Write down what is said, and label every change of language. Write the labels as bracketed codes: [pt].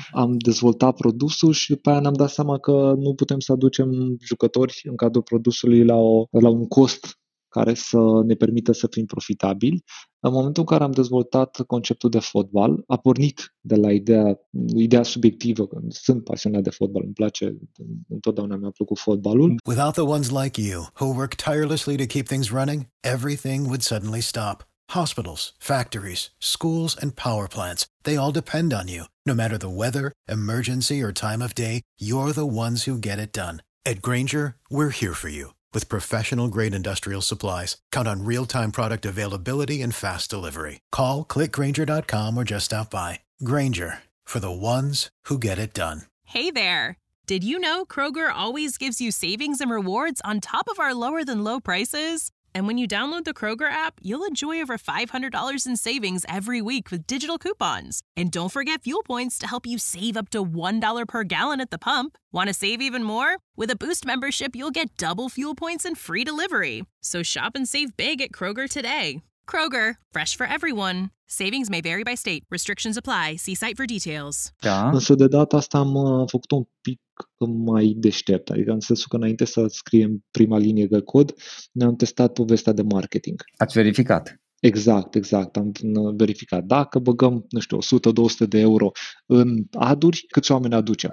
[ro] am dezvoltat produsul și după aia ne-am dat seama că nu putem să aducem jucători în cadrul produsului la un cost care să ne permită să fim profitabili. În momentul în care am dezvoltat conceptul de fotbal, a pornit de la ideea subiectivă, că sunt pasionat de fotbal, îmi place, întotdeauna mi-a plăcut fotbalul. [en] Without the ones like you, who work tirelessly to keep things running, everything would suddenly stop. Hospitals, factories, schools and power plants, they all depend on you. No matter the weather, emergency or time of day, you're the ones who get it done. At Grainger, we're here for you. With professional-grade industrial supplies, count on real-time product availability and fast delivery. Call, click Grainger.com or just stop by. Grainger, for the ones who get it done. Hey there! Did you know Kroger always gives you savings and rewards on top of our lower-than-low prices? And when you download the Kroger app, you'll enjoy over $500 in savings every week with digital coupons. And don't forget fuel points to help you save up to $1 per gallon at the pump. Want to save even more? With a Boost membership, you'll get double fuel points and free delivery. So shop and save big at Kroger today. Kroger, fresh for everyone. Savings may vary by state. Restrictions apply. See site for details. [ro] Da. Însă de data asta am făcut un pic mai deștept. Adică în sensul că înainte să scriem prima linie de cod, ne-am testat povestea de marketing. Ați verificat. Exact. Am verificat. Dacă băgăm, nu știu, 100-200 de euro în aduri, câți oameni aducem?